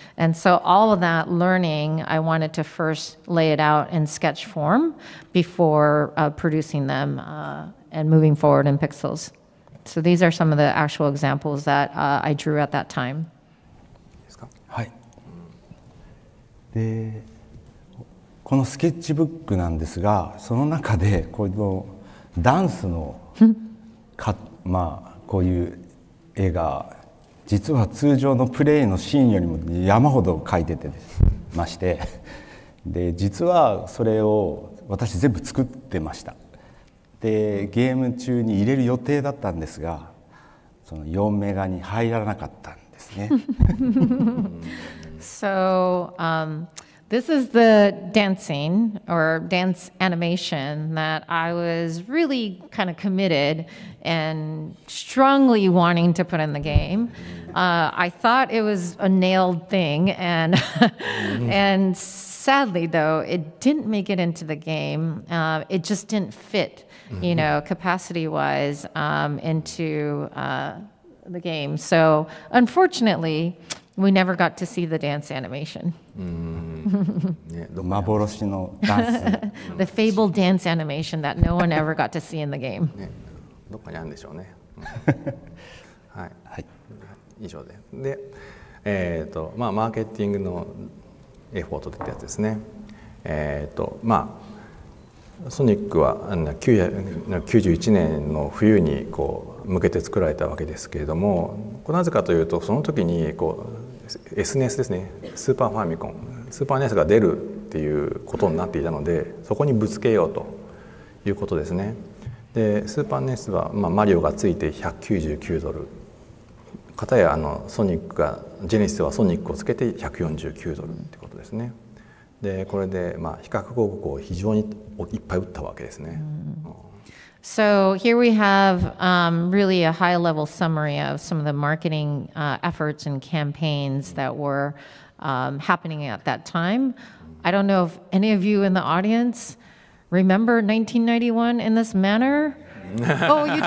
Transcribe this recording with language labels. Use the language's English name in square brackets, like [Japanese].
[English] And so all of that learning, I wanted to first lay it out in sketch form before producing them and moving forward in pixels. So these are some of the actual examples that I drew at that time. [Japanese] はい。で、このスケッチブックなんですが、その中でこのダンスのか、まあこういう絵が実は通常のプレイのシーンよりも山ほど描いててまして、で実はそれを私全部作ってました。でゲーム中に入れる予定だったんですが、その4メガに入らなかったんですね。 [English] So, this is the dancing or dance animation that I was really kind of committed and strongly wanting to put in the game. I thought it was a nailed thing and, and sadly though, it didn't make it into the game. It just didn't fit, you know, capacity-wise into the game. So unfortunately, we never got to see the dance animation. The fabled dance animation that no one ever got to see in the game. [Japanese] どっかにあるんでしょうね。はい、はい、以上で。で、まあマーケティングのエフォートってやつですね。まあソニックは91年の冬にこう向けて作られたわけですけれども、なぜかというとその時にこうSNES ですね、スーパーファミコン、スーパーNESが出るっていうことになっていたので、そこにぶつけようということですね。でスーパーNESは、まあ、マリオがついて$199、かたやあのソニックがジェネシスはソニックをつけて$149ってことですね。でこれで、まあ、比較広告を非常にいっぱい打ったわけですね。 [English] So here we have really a high-level summary of some of the marketing efforts and campaigns that were happening at that time. I don't know if any of you in the audience remember 1991 in this manner. Oh, you do.